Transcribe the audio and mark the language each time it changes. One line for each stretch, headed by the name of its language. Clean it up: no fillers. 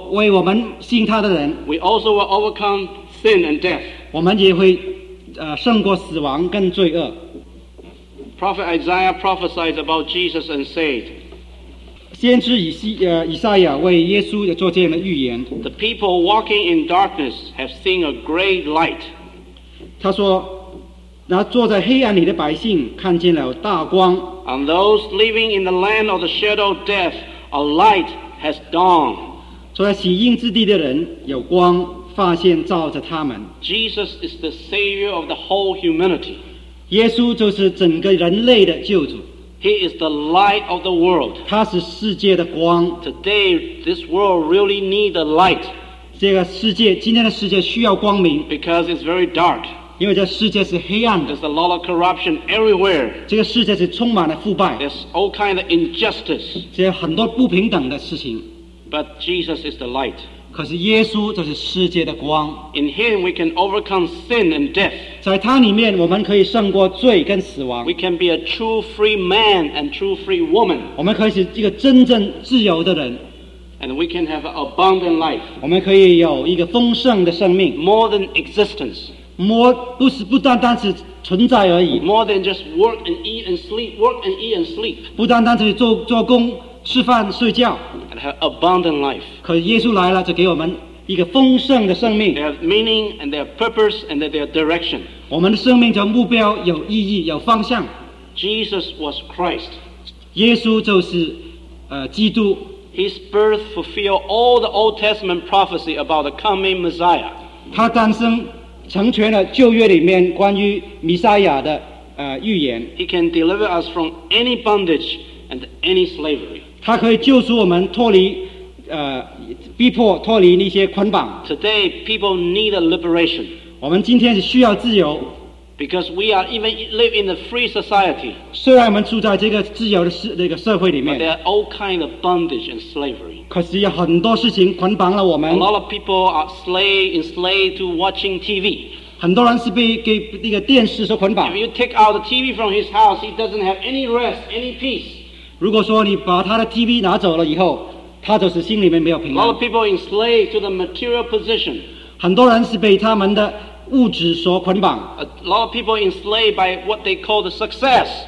Chinese: 为我们信他的人。
English: We also will overcome sin and death.
Chinese: 我们也会胜过死亡跟罪恶。
English: Prophet Isaiah prophesied about Jesus and said,
Chinese: 先知以赛亚为耶稣做这样的预言。
English: The people walking in darkness have seen a great light.
Chinese: 他说，那坐在黑暗里的百姓看见了大光。
English: And those living in the land of the shadow of death, a light has dawned.
Chinese: 坐在死荫之地的人有光发现照着他们。
English: Jesus is the savior of the whole humanity.
Chinese: 耶稣就是整个人类的救主。
English: He is the light of the world.
Chinese: 他是世界的光。
English: Today, this world really needs a light.
Chinese: 这个世界，今天的世界需要光明。
English: Because it's very dark.
Chinese: 因为这世界是黑暗的。
English: There's a lot of corruption everywhere.
Chinese: 这个世界是充满了腐败。
English: There's all kinds of injustice.
Chinese: 这很多不平等的事情。
English: But Jesus is the light.
Chinese: 可是耶稣就是世界的光。
English: In him we can overcome sin and death.
Chinese: 在他里面我们可以胜过罪跟死亡。
English: We can be a true free man and true free woman.
Chinese: 我们可以是一个真正自由的人。
English: And we can have an abundant life.
Chinese: 我们可以有一个丰盛的生命。
English: More than existence.
Chinese: 不单单是存在而已。
English: More than just work and eat and sleep, work and eat and sleep.
Chinese: 不单单是做工吃饭睡觉。
English: And have abundant life.
Chinese: 可耶稣来了，就给我们一个丰盛的生命。
English: They have meaning and their purpose and their direction.
Chinese: 我们的生命叫目标，有意义，有方向。
English: Jesus was Christ.
Chinese: 耶稣就是基督。
English: His birth fulfilled all the Old Testament prophecy about the coming Messiah.
Chinese: 他诞生，成全了旧约里面关于弥赛亚的预言。
English: He can deliver us from any bondage and any slavery.
Chinese: 他可以救赎我们脱离逼迫，脱离那些捆绑。
English: Today, people need a liberation.
Chinese: 我们今天是需要自由。
English: Because we are even live in a free society.
Chinese: 虽然我们住在这个自由的这个社会里面。
English: But there are all kinds of bondage and slavery.
Chinese: 可是有很多事情捆绑了我们。
English: A lot of people are enslaved to watching TV.
Chinese: 很多人是被那个电视所捆绑。
English: If you take out the TV from his house, he doesn't have any rest, any peace.
Chinese: 如果说你把他的 TV 拿走了以后，他就是心里面没有平安。
English: A lot of people are enslaved to the material position.
Chinese: 很多人是被他们的物质所捆绑。
English: A lot of people are enslaved by what they call the success.